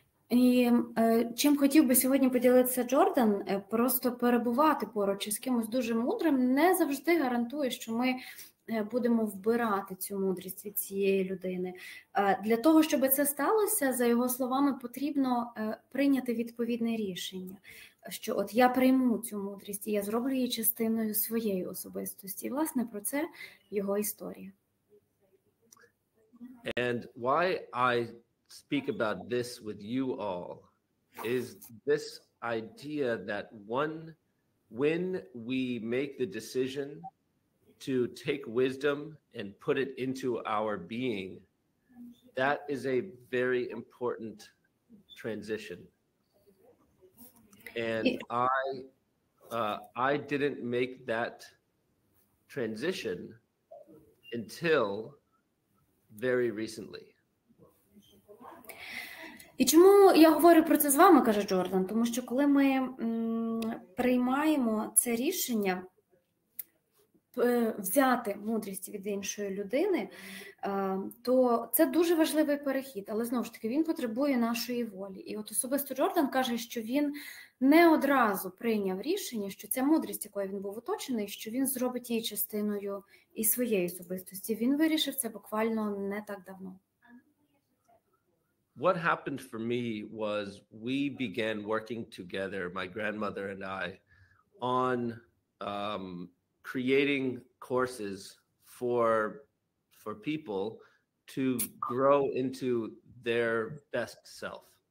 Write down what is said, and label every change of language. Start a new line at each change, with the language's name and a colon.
Ukrainian: І чим хотів би сьогодні поділитися Джордан, просто перебувати поруч із кимось дуже мудрим не завжди гарантує, що ми будемо вбирати цю мудрість від цієї людини. Для того, щоб це сталося, за його словами, потрібно прийняти відповідне рішення, що от я прийму цю мудрість і я зроблю її частиною своєї особистості. І, власне, про це його історія.
English: And why I speak about this with you all is this idea that one, when we make the decision to take wisdom and put it into our being, that is a very important transition. And I didn't make that transition until very recently.
Ukrainian: І чому я говорю про це з вами, каже Джордан? Тому що коли ми приймаємо це рішення взяти мудрість від іншої людини, то це дуже важливий перехід. Але знову ж таки, він потребує нашої волі. І от особисто Джордан каже, що він не одразу прийняв рішення, що ця мудрість, якою він був оточений, що він зробить її частиною і своєї особистості. Він вирішив це буквально не так давно.
English: What happened for me was we began working together, my grandmother and I, on creating courses for people to grow into their best self.